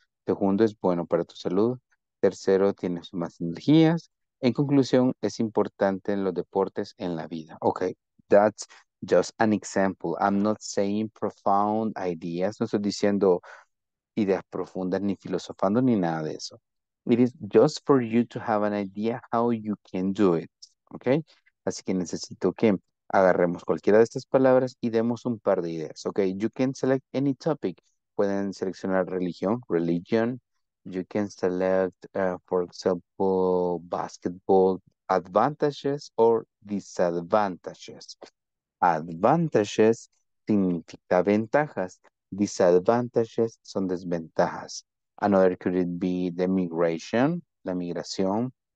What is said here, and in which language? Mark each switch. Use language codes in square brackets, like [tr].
[es] Segundo, es bueno para tu salud. Tercero, tienes más energías. En conclusión, es importante los deportes en la vida. [en] Okay, that's just an example. I'm not saying profound ideas. [es] No estoy diciendo ideas profundas, ni filosofando, ni nada de eso. [en] It is just for you to have an idea how you can do it. [es] Okay, así que necesito que agarremos cualquiera de estas palabras y demos un par de ideas. [en] Okay, you can select any topic. [es] Pueden seleccionar religión, [en] religion. You can select, for example, basketball, advantages or disadvantages. [es] Advantages significa ventajas. [en] Disadvantages [es] son desventajas. [en] Another could be the migration, [es] la migración.